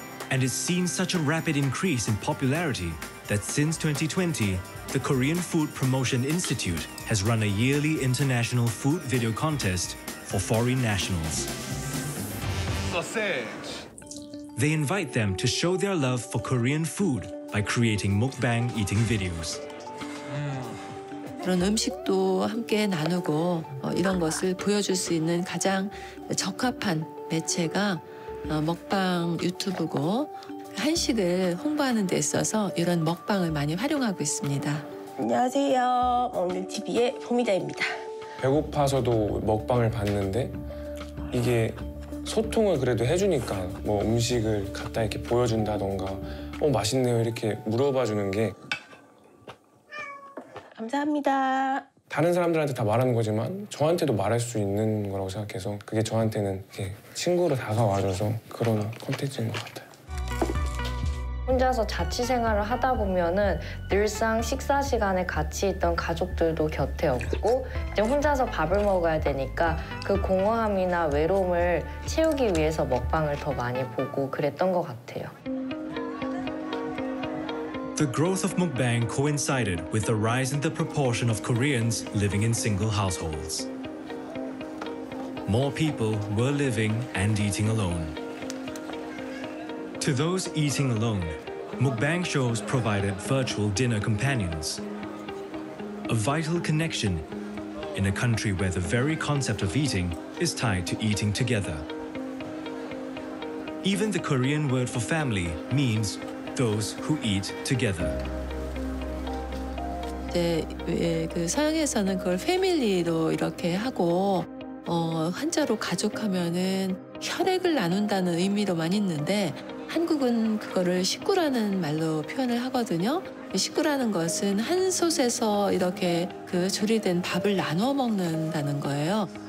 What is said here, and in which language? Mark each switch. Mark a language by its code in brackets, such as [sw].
[en] And it's seen such a rapid increase in popularity that since 2020, the Korean Food Promotion Institute has run a yearly international food video contest for foreign nationals. Sausage. They invite them to show their love for Korean food by creating mukbang eating videos. [ko] 그런 음식도 함께 나누고 이런 것을 보여줄 수 있는 가장 적합한 매체가 먹방 유튜브고 한식을 홍보하는 데 있어서 이런 먹방을 많이 활용하고 있습니다. 안녕하세요. 먹는 TV의 봄이다입니다. 배고파서도 먹방을 봤는데 이게 소통을 그래도 해주니까 뭐 음식을 갖다 이렇게 보여준다던가 어 맛있네요 이렇게 물어봐 주는 게 감사합니다. 다른 사람들한테 다 말하는 거지만 저한테도 말할 수 있는 거라고 생각해서 그게 저한테는 이렇게 친구로 다가와줘서 그런 콘텐츠인 것 같아요. 혼자서 자취 생활을 하다 보면은 늘상 식사 시간에 같이 있던 가족들도 곁에 없고 이제 혼자서 밥을 먹어야 되니까 그 공허함이나 외로움을 채우기 위해서 먹방을 더 많이 보고 그랬던 것 같아요. [en] The growth of mukbang coincided with the rise in the proportion of Koreans living in single households. More people were living and eating alone. To those eating alone, mukbang shows provided virtual dinner companions. A vital connection in a country where the very concept of eating is tied to eating together. Even the Korean word for family means those who eat together. [ko] 이제 서양에서는 그걸 패밀리로 이렇게 하고 한자로 가족하면은 혈액을 나눈다는 의미로만 있는데 한국은 그거를 식구라는 말로 표현을 하거든요. 식구라는 것은 한 솥에서 이렇게 그 조리된 밥을 나눠 먹는다는 거예요.